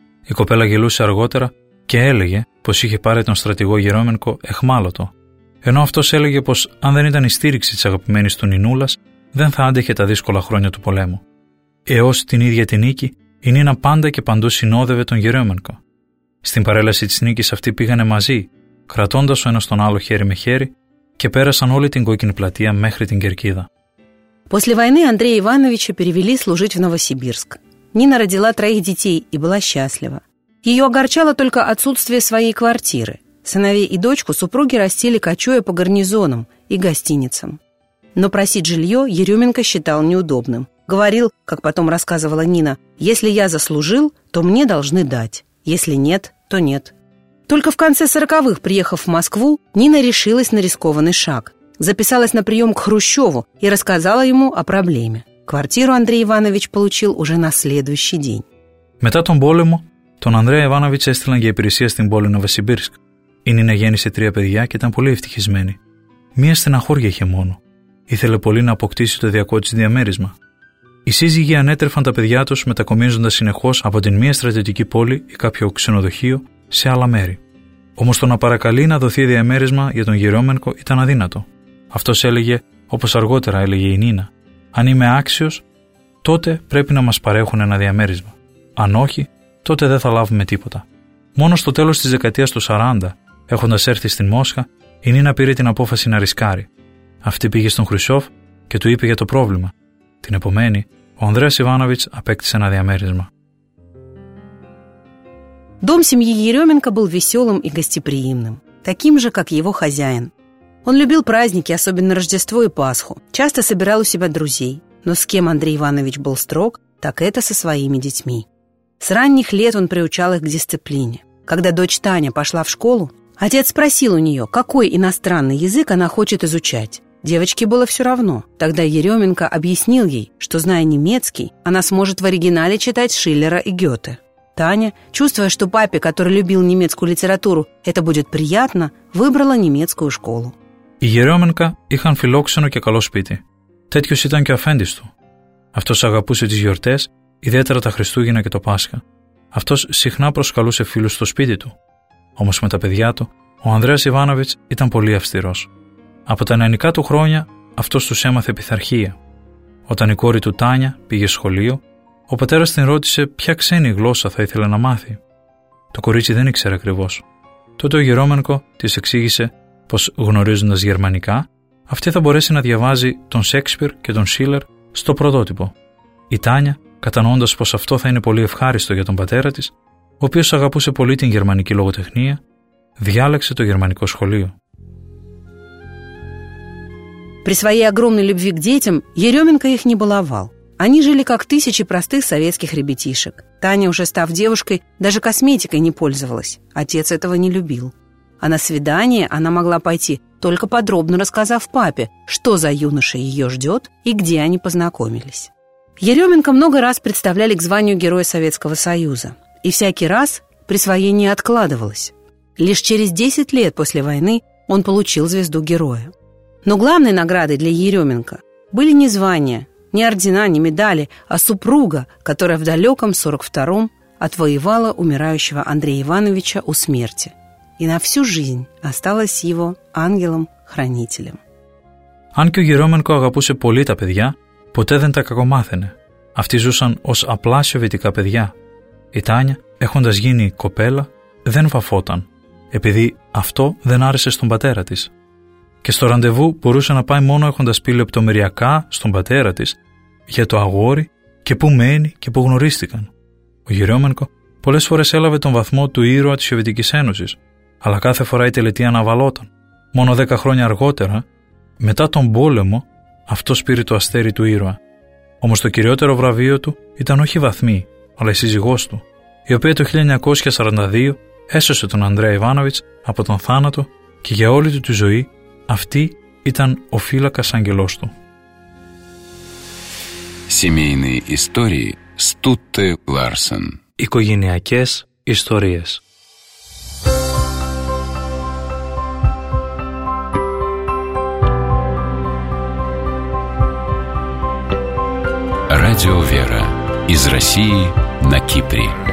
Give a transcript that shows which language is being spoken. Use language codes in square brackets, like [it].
[el] Η κοπέλα γελούσε αργότερα και έλεγε πως είχε πάρει τον στρατηγό Γερόμενκο εχμάλωτο, ενώ αυτός έλεγε πως αν δεν ήταν η στήριξη της αγαπημένης του Νινούλας, δεν θα άντεχε τα δύσκολα χρόνια του πολέμου. Έως την ίδια την νίκη, η Νίνα πάντα και παντού συνόδευε τον Γερόμενκο. Στην παρέλαση της νίκης αυτοί πήγανε μαζί, κρατώντας ο ένας τον άλλο χέρι με χέρι και πέρασαν όλη την κόκκινη πλατεία μέχρι την κερκίδα. [ru] После войны Андрея Ивановича перевели служить в Новосибирск. Нина родила троих детей и была счастлива. Ее огорчало только отсутствие своей квартиры. Сыновей и дочку супруги растили, кочуя по гарнизонам и гостиницам. Но просить жилье Еременко считал неудобным. Говорил, как потом рассказывала Нина, «Если я заслужил, то мне должны дать. Если нет, то нет». Только в конце 40-х, приехав в Москву, Нина решилась на рискованный шаг. Записалась на прием к Хрущеву и рассказала ему о проблеме. Квартиру Андрей Иванович получил уже на следующий день. [el] Μετά τον πόλεμο, τον Ανδρέα Ιβάνοβιτς έστειλαν για υπηρεσία στην πόλη Νοβασιμπίρσκ. Η Νίνα γέννησε 3 παιδιά και ήταν πολύ ευτυχισμένη. Μία στεναχώρια είχε μόνο. Ήθελε πολύ να αποκτήσει το δικό της διαμέρισμα. Οι σύζυγοι ανέτρεφαν τα παιδιά τους μετακομίζοντας συνεχώς από την μία στρατιωτική πόλη ή κάποιο ξενοδοχείο σε άλλα μέρη. Όμως το να παρακαλεί να δοθεί διαμέρισμα για τον Γερόμενκο ήταν αδύνατο. Αυτός έλεγε, όπως αργότερα έλεγε η Νίνα, «Αν είμαι άξιος, τότε πρέπει να μας παρέχουν ένα διαμέρισμα. Αν όχι, τότε δεν θα λάβουμε τίποτα». Μόνο στο τέλος της δεκαετίας του 40, έχοντας έρθει στην Μόσχα, η Νίνα πήρε την απόφαση να ρισκάρει. Αυτή πήγε στον Χρουσόφ και του είπε για το πρόβλημα. Την επομένη, ο Ανδρέας Ιβάνοβιτς απέκτησε ένα διαμέρισμα. [ru] Дом семьи Еременко был веселым и гостеприимным, таким же, как его хозяин. Он любил праздники, особенно Рождество и Пасху, часто собирал у себя друзей. Но с кем Андрей Иванович был строг, так это со своими детьми. С ранних лет он приучал их к дисциплине. Когда дочь Таня пошла в школу, отец спросил у нее, какой иностранный язык она хочет изучать. Девочке было все равно. Тогда Еременко объяснил ей, что, зная немецкий, она сможет в оригинале читать Шиллера и Гёте. Таня, чувствуя, что папе, который любил немецкую литературу, это будет приятно, выбрала немецкую школу. [el] Οι Γερόμενκα είχαν φιλόξενο και καλό σπίτι. Τέτοιος ήταν και ο αφέντης του. Αυτός αγαπούσε τις γιορτές, ιδιαίτερα τα Χριστούγεννα και το Πάσχα. Αυτός συχνά προσκαλούσε φίλους στο σπίτι του. Όμως με τα παιδιά του, ο Ανδρέας Ιβάνοβιτς ήταν πολύ αυστηρός. Από τα νεανικά του χρόνια, αυτός τους έμαθε πειθαρχία. Όταν η κόρη του Τάνια πήγε σχολείο, Ο πατέρας την ρώτησε ποια ξένη γλώσσα θα ήθελε να μάθει. Το κορίτσι δεν ήξερε ακριβώς. Τότε ο γερόμενκο της εξήγησε πως γνωρίζοντας γερμανικά, αυτή θα μπορέσει να διαβάζει τον Σέξπιρ και τον Σίλερ στο πρωτότυπο. Η Τάνια, κατανοώντας πως αυτό θα είναι πολύ ευχάριστο για τον πατέρα της, ο οποίος αγαπούσε πολύ την γερμανική λογοτεχνία, διάλεξε το γερμανικό σχολείο. [ru] При своей огромной любви к детям Еременко их не баловал. Они жили как тысячи простых советских ребятишек. Таня, уже став девушкой, даже косметикой не пользовалась. Отец этого не любил. А на свидание она могла пойти, только подробно рассказав папе, что за юноша ее ждет и где они познакомились. Еременко много раз представляли к званию Героя Советского Союза. И всякий раз присвоение откладывалось. Лишь через 10 лет после войны он получил звезду героя. Но главной наградой для Еременко были не звания, не ордена, не медали, а супруга, которая в далеком 42-м отвоевала умирающего Андрея Ивановича у смерти. И на всю жизнь осталась его ангелом-хранителем. [el] Αν και ο Γερόμενκο αγαπούσε πολύ τα παιδιά, ποτέ δεν τα κακομάθαινε. Αυτοί ζούσαν ως απλά σοβιετικά παιδιά. Η Τάνια, έχοντας γίνει κοπέλα, δεν βαφόταν, επειδή αυτό δεν άρεσε στον πατέρα της. Και στο ραντεβού μπορούσε να πάει μόνο έχοντας πει λεπτομεριακά στον πατέρα της για το αγόρι και πού μένει και πού γνωρίστηκαν. Ο Γερόμενκο πολλές φορές έλαβε τον βαθμό του ήρωα της Σοβιετικής Ένωσης, αλλά κάθε φορά η τελετή αναβαλόταν. Μόνο 10 χρόνια αργότερα, μετά τον πόλεμο, αυτός πήρε το αστέρι του ήρωα. Όμως το κυριότερο βραβείο του ήταν όχι οι βαθμοί, αλλά η σύζυγός του, η οποία το 1942 έσωσε τον Ανδρέα Ιβάνοβιτς από τον θάνατο και για όλη του τη ζωή. Αυτή ήταν ο φύλακας άγγελός του. [ru] Семейные истории Стутте Ларсен. [el] Οικογενειακές ιστορίες. [ru] Радио Вера. Из России на Кипре.